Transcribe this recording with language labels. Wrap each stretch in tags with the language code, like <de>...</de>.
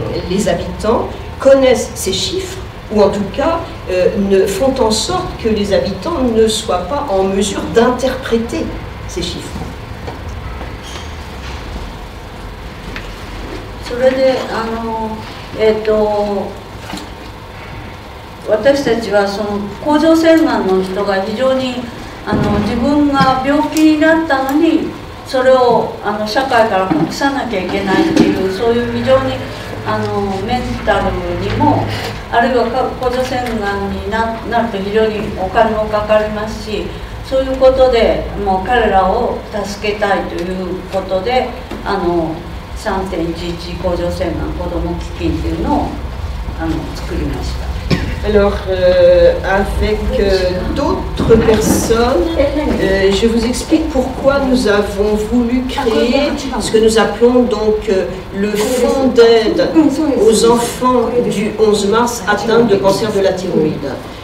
<fr>les habitants connaissent ces chiffres ou en tout cas ne font en sorte que les habitants ne soient pas en mesure d'interpréter ces chiffres.</fr> <ja>それで、あの、私たちはその甲状腺がんの人が非常に、あの、自分が病気になったのにそれをあの社会から隠さなきゃいけないというそういう非常にあのメンタルにもあるいは甲状腺がんになると非常にお金もかかりますしそういうことでもう彼らを助けたいということで 3.11 甲状腺がん子ども基金というのをあの作りました。</ja> <fr>Alors, avec d'autres personnes, je vous explique pourquoi nous avons voulu créer ce que nous appelons donc le fonds d'aide aux enfants du 11 mars atteints de cancer de la thyroïde.</fr>